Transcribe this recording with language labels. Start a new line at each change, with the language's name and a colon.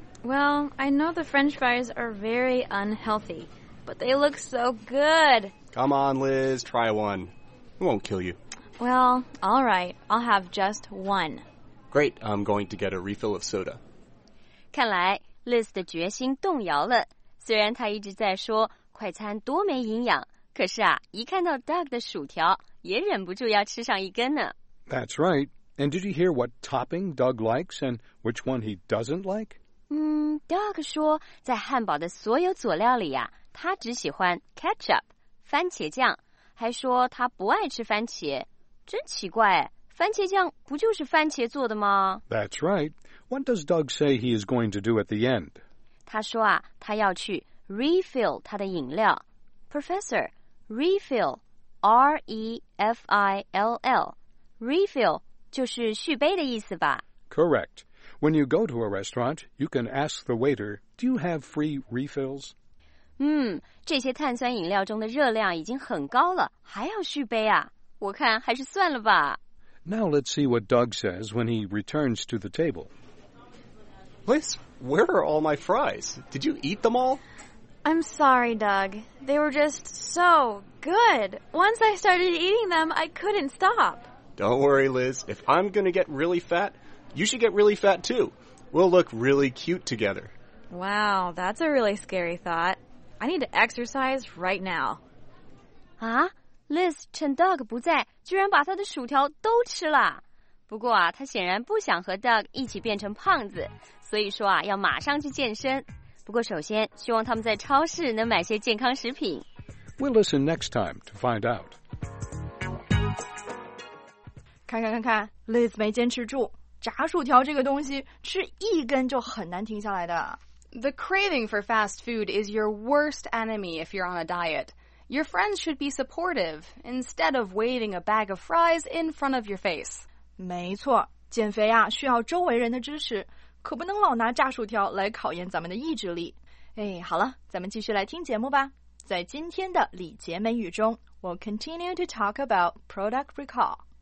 English: Well, I know the French fries are very unhealthy, but they look so good. Come on, Liz. Try one. It won't kill you. Well, all right. I'll have just one. Great. I'm going to get a refill of soda.
Chinese: 看来 Liz 的决心动摇了。虽然她一直在说快餐多没营养，可是啊，一看到 Doug 的薯条，也忍不住要吃上一根呢。
English: That's right. And did you hear what topping Doug likes and which one he doesn't like?
Chinese: Doug 说在汉堡的所有佐料里啊，他只喜欢 ketchup, 番茄酱，还说他不爱吃番茄。真奇怪，番茄酱不就是番茄做的吗？
English: That's right. What does Doug say he is going to do at the end?
Chinese: 他说啊，他要去 refill 他的饮料。
English: Professor, refill, R-E-F-I-L-L.
Chinese: Refill 就是续杯的意思吧？
English: Correct. When you go to a restaurant, you can ask the waiter, do you have free refills?
Chinese: 这些碳酸饮料中的热量已经很高了，还要续杯啊？我看还是算了吧。
English: Now let's see what Doug says when he returns to the table. Liz, where are all my fries? Did you eat them all? I'm sorry, Doug. They were just so good. Once I started eating them, I couldn't stop. Don't worry, Liz. If I'm going to get really fat, you should get really fat too. We'll look really cute together. Wow, that's a really scary thought. I need to exercise right now.
Chinese: Huh? Liz 趁 Doug 不在，居然把他的薯条都吃了。不过啊，他显然不想和 Doug 一起变成胖子，所以说啊，要马上去健身。不过首先，希望他们在超市能买些健康食品。
English: We'll listen next time to find out.
Chinese: 看看 ，Liz 没坚持住。炸薯条这个东西，吃一根就很难停下来的。
English: The craving for fast food is your worst enemy if you're on a diet. Your friends should be supportive instead of waving a bag of fries in front of your face.
Chinese: 没错，减肥啊需要周围人的支持，可不能老拿炸薯条来考验咱们的意志力。哎，好了，咱们继续来听节目吧。在今天的礼节美语中
English: ，We'll continue to talk about product recall.